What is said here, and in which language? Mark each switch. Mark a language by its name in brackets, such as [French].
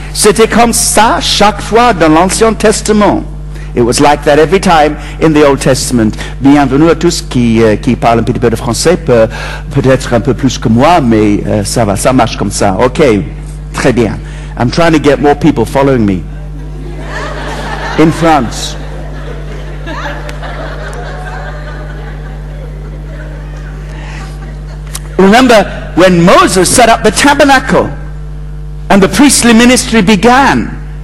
[French] C'était comme ça chaque fois dans l'Ancien Testament. [English] It was like that every time in the Old Testament. [French] Bienvenue à tous qui parlent un petit peu de français, peut-être un peu plus que moi, mais ça va, ça marche comme ça. Okay, très bien. [English] I'm trying to get more people following me in France. Remember when Moses set up the tabernacle and the priestly ministry began?